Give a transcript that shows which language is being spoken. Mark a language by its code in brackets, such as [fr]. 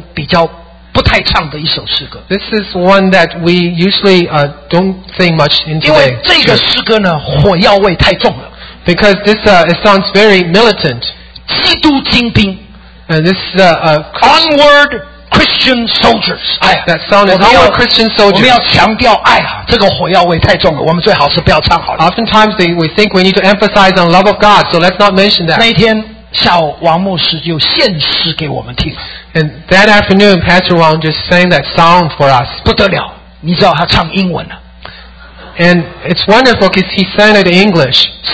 [zh] 这首诗歌呢，我们今天在教会我们比较不太唱的一首诗歌。 [en] This is one that we usually don't sing much in today. [zh] 因为这个诗歌呢，火药味太重了。 [en] Because this sounds very militant. [zh] 基督精兵。 [en] And this onward Christian soldiers. 哎呀, that sound is onward Christian soldiers. [zh] 我们要强调，哎呀，这个火药味太重了，我们最好是不要唱好了。 [en] Oftentimes we think we need to emphasize on love of God, so let's not mention that. [zh] 那一天。下午王牧师就献诗给我们听。 [en] And that afternoon, Pastor Wang just sang that song for us. [zh] 不得了，你知道他唱英文了。 [en] And it's wonderful because he sang it in English.